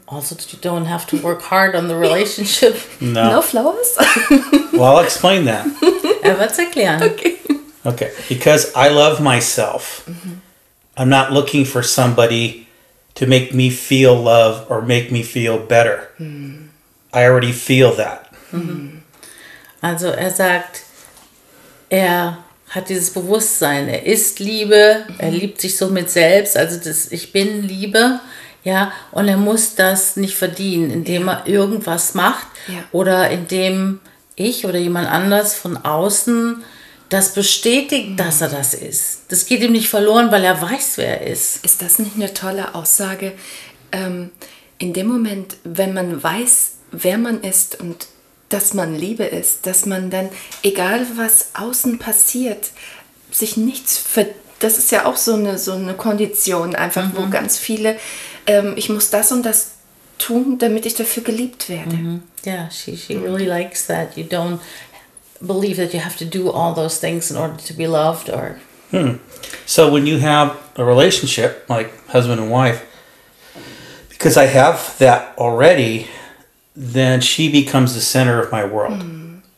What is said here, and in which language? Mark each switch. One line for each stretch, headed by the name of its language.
English: Also you don't have to work hard on the relationship. No. No flowers? Well, I'll explain that.
German: Er wird's erklären.
English: Okay. Okay, because I love myself. Mm-hmm. I'm not looking for somebody to make me feel love or make me feel better. Mm. I already feel that. Mm-hmm.
German: Also er sagt, er hat dieses Bewusstsein, er ist Liebe, mm-hmm, er liebt sich so mit selbst, also das ich bin Liebe, ja, und er muss das nicht verdienen, indem, yeah, er irgendwas macht, yeah, oder indem ich oder jemand anders von außen das bestätigt, dass er das ist. Das geht ihm nicht verloren, weil er weiß, wer er ist. Ist das nicht eine tolle Aussage? In dem Moment, wenn man weiß, wer man ist und dass man Liebe ist, dass man dann, egal was außen passiert, sich nichts das ist ja auch so eine Kondition, einfach, mhm, wo ganz viele, ich muss das und das tun, damit ich dafür geliebt werde.
English: Ja, mhm, yeah, she really likes that. You don't believe that you have to do all those things in order to be loved or... Hmm. So when you have a relationship, like husband and wife, because I have that already, then she becomes the center of my world. Hmm.